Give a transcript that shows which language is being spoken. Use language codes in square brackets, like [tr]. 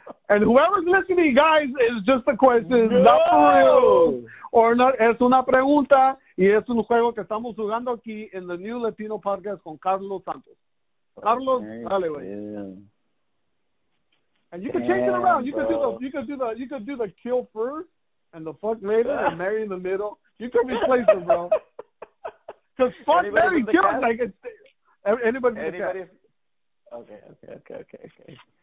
[en] And whoever's listening, guys, is just a question. No! Not for real. Or not, [es] es una pregunta, y es un juego que estamos jugando aquí [en] in the new Latino podcast [es] con Carlos Santos. Carlos, okay, dale, güey. [en] And you can change it around. You can do the kill first and the fuck later and marry in the middle. You can replace it, bro. Because fuck, marry, kill is like it's anybody's cast. Okay.